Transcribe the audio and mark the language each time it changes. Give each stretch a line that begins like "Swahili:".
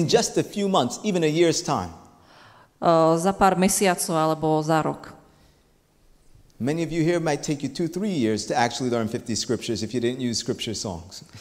English: In just a few months, even a year's time.
Slovak: Za pár mesiacov alebo za rok.
English: Many of you here might take you 2-3 years to actually learn 50 scriptures if you didn't use scripture songs.